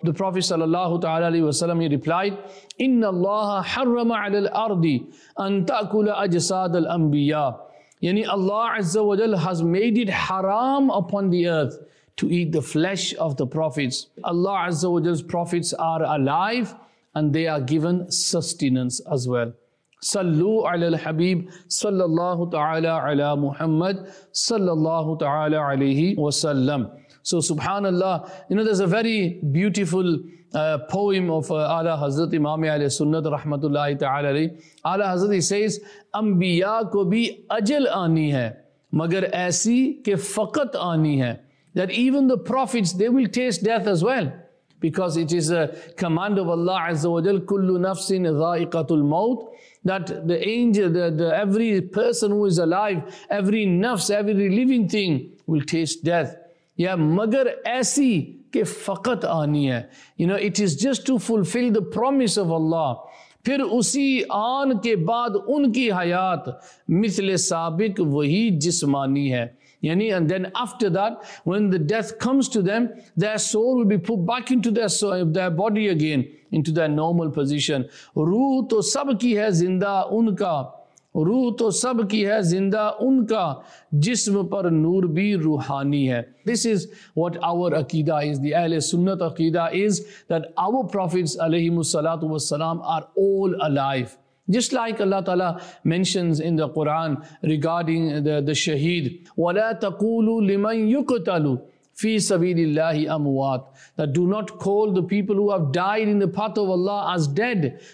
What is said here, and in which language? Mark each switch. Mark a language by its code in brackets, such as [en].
[en] The Prophet sallallahu ta'ala alayhi wa sallam, he replied, [ar] إِنَّ اللَّهَ حَرَّمَ عَلَى الْأَرْضِ أَن تَأْكُلَ أَجْسَادَ الْأَنْبِيَاءِ. [en] Yani Allah Azza wa Jal has made it haram upon the earth to eat the flesh of the prophets. Allah Azza wa Jal's prophets are alive and they are given sustenance as well. [ar] صلو علی الحبیب صلی اللہ تعالی علی محمد صلی اللہ تعالی علیہ وسلم. [en] So subhanallah, you know, there's a very beautiful poem of Ala Hazrat Imam Ali Sunnat rahmatullahi ta'ala alayhi. Ala Hazrat, he says, [ur] انبیاء کو بھی اجل آنی ہے [en] مگر ایسی کہ فقط آنی ہے. That even the prophets, they will taste death as well, because it is a command of Allah Azza wa Jal, [ar] kullu nafsin dha'iqatul maut, [en] that the angel, the every person who is alive, every nafs, every living thing will taste death. [ur] Ya magar aisi ke faqat aani hai. [en] You know, it is just to fulfill the promise of Allah. [ur] پھر اسی آن کے بعد ان کی حیات مثل سابق وہی جسمانی ہے. [en] یعنی and then after that, when the death comes to them, their soul will be put back into their body again, into their normal position. [ur] روح تو سب کی ہے زندہ ان کا, روح تو سب کی ہے زندہ ان کا, جسم پر نور بھی روحانی ہے. [en] This is what our aqeedah is. The Ahl Sunnat aqeedah is that our prophets alayhimu salatu wassalam are all alive. Just like Allah Ta'ala mentions in the Quran regarding the shaheed, [ar] وَلَا تَقُولُوا لِمَنْ يُقْتَلُوا فِي سَبِيلِ اللَّهِ أَمْوَاتِ, [en] that do not call the people who have died in the path of Allah as dead.